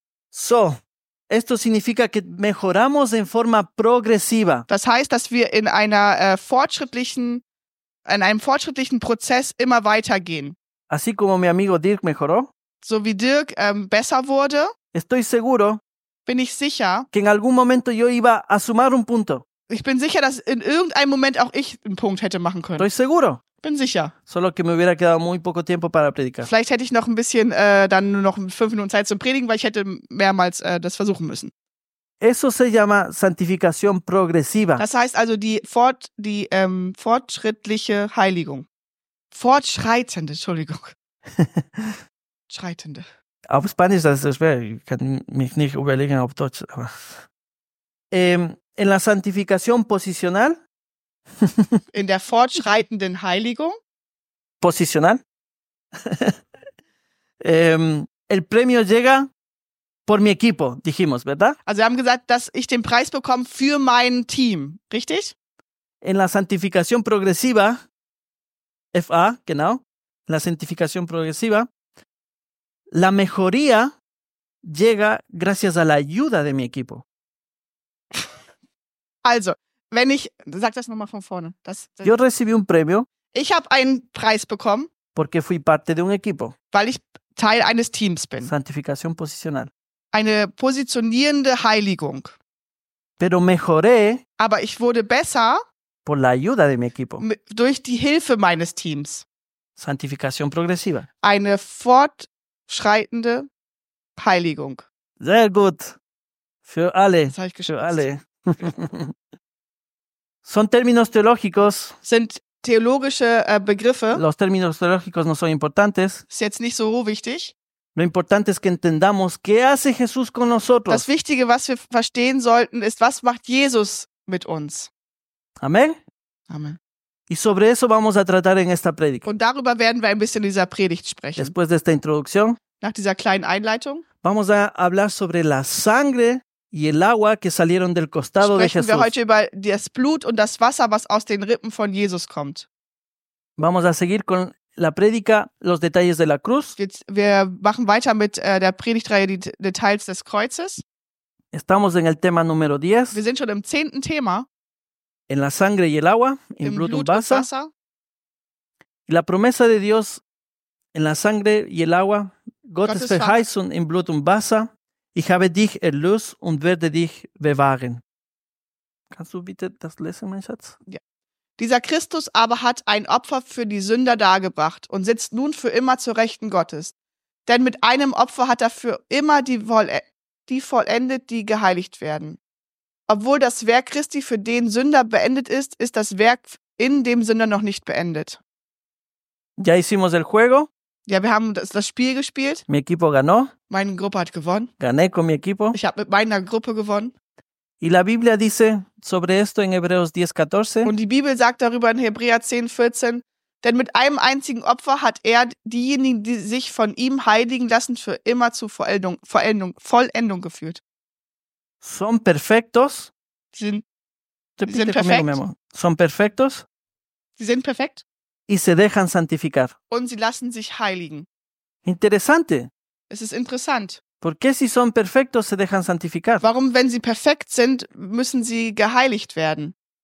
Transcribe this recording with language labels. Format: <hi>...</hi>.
<es>So, esto significa que mejoramos en forma progresiva.</es> <de>Das heißt, dass wir in einer fortschrittlichen Prozess immer weitergehen.</de> <es>Así como mi amigo Dirk mejoró.</es> <de>So wie Dirk besser wurde.</de> <es>Estoy seguro.</es> <de>Bin ich sicher.</de> <es>Que en algún momento yo iba a sumar un punto.</es> <de>Ich bin sicher, dass in irgendeinem Moment auch ich einen Punkt hätte machen können.</de> <es>Estoy seguro.</es> <de>Bin sicher.</de> <es>Solo que me hubiera quedado muy poco tiempo para predicar.</es> <de>Vielleicht hätte ich noch ein bisschen, dann nur noch 5 Minuten Zeit zum Predigen, weil ich hätte mehrmals das versuchen müssen.</de> <es>Eso se llama santificación progresiva.</es> <de>Das heißt also fortschrittliche Heiligung. Fortschreitende, Entschuldigung. Schreitende. Auf Spanisch, das ist schwer. Ich kann mich nicht überlegen auf Deutsch. Aber.</de> <es>En la santificación posicional.</es> <de>In der fortschreitenden Heiligung.</de> <es>Posicional. el premio llega por mi equipo, dijimos, ¿verdad?</es> <de>Also wir haben gesagt, dass ich den Preis bekomme für mein Team, richtig?</de> <es>En la santificación progresiva. FA, genau, la santificación progresiva. La mejoría llega gracias a la ayuda de mi equipo.</es> <de>Also, wenn ich, sag das nochmal von vorne.</de> <es>Yo recibí un premio.</es> <de>Ich habe einen Preis bekommen.</de> <es>Porque fui parte de un equipo.</es> <de>Weil ich Teil eines Teams bin.</de> <es>Santificación posicional.</es> <de>Eine positionierende Heiligung.</de> <es>Pero mejoré.</es> <de>Aber ich wurde besser.</de> <es>Por la ayuda de mi equipo.</es> <de>Durch die Hilfe meines Teams.</de> <es>Santificación progresiva.</es> <de>Eine fortschreitende Heiligung. Sehr gut. Für alle. Das habe ich geschafft. Für alle.</de> <es>Son términos teológicos.</es> <de>Sind theologische Begriffe.</de> <es>Los términos teológicos no son importantes.</es> <de>Ist jetzt nicht so wichtig.</de> <es>Lo importante es que entendamos qué hace Jesús con nosotros.</es> <de>Das Wichtige, was wir verstehen sollten, ist, was macht Jesus mit uns.</de> <es>Amén.</es> <de>Amén.</de> <es>Y sobre eso vamos a tratar en esta predica.</es> <de>Und darüber werden wir ein bisschen in dieser Predigt sprechen.</de> <es>Después de esta introducción.</es> <de>Nach dieser kleinen Einleitung.</de> <es>Vamos a hablar sobre la sangre y el agua que salieron del costado de Jesús.</es> <de>Sprechen wir heute über das Blut und das Wasser, was aus den Rippen von Jesus kommt.</de> <es>Vamos a seguir con la predica, los detalles de la cruz.</es> <de>Wir machen weiter mit der Predigtreihe, die Details des Kreuzes.</de> <es>Estamos en el tema número 10.</es> <de>Wir sind schon im 10. Thema.</de> <es>En la sangre y el agua,</es> <de>im Blut und Wasser.</de> <es>Y la promesa de Dios en la sangre y el agua,</es> <de>Gottes Verheißung im Blut und Wasser, ich habe dich erlöst und werde dich bewahren. Kannst du bitte das lesen, mein Schatz? Ja. Dieser Christus aber hat ein Opfer für die Sünder dargebracht und sitzt nun für immer zur Rechten Gottes. Denn mit einem Opfer hat er für immer die vollendet, die geheiligt werden. Obwohl das Werk Christi für den Sünder beendet ist, ist das Werk in dem Sünder noch nicht beendet.</de> <es>Ya hicimos el juego.</es> <de>Ja, wir haben das Spiel gespielt.</de> <es>Mi equipo ganó.</es> <de>Meine Gruppe hat gewonnen.</de> <es>Gané con mi equipo.</es> <de>Ich habe mit meiner Gruppe gewonnen.</de> <es>Y la Biblia dice sobre esto en Hebreos 10:14.</es> <de>Und die Bibel sagt darüber in Hebräer 10:14, denn mit einem einzigen Opfer hat er diejenigen, die sich von ihm heiligen lassen, für immer zu Vollendung geführt.</de> <es>Son perfectos.</es> <de>Sie sind perfekt.</de> <es>Conmigo, son perfectos.</es> <de>Sie sind perfekt.</de> <es>Y se dejan santificar.</es> <de>Und sie lassen sich heiligen.</de> <es>Interessante.</es> <de>Es ist interessant.</de> <es>¿Por qué si son perfectos se dejan santificar?</es> <de>Warum, wenn sie perfekt sind, müssen sie geheiligt werden?</de>